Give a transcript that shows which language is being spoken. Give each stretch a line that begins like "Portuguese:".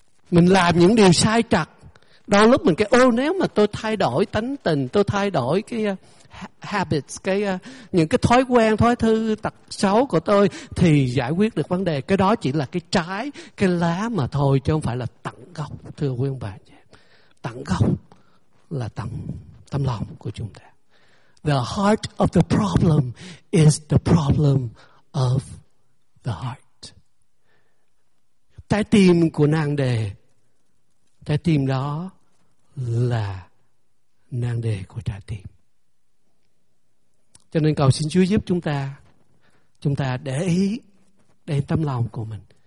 Vietnamese: Mình làm những điều sai trật, đôi lúc mình cái ô, nếu mà tôi thay đổi tánh tình, tôi thay đổi cái habits, cái những cái thói quen, thói thư tật xấu của tôi thì giải quyết được vấn đề. Cái đó chỉ là cái trái, cái lá mà thôi, chứ không phải là tận gốc thưa quý ông bà. Tận gốc là tâm lòng của chúng ta.
English: The heart of the problem is the problem of the heart.
Vietnamese: Trái tim của nan đề, trái tim đó là nan đề của trái tim. Cho nên cầu xin Chúa giúp chúng ta để ý đến tâm lòng của mình.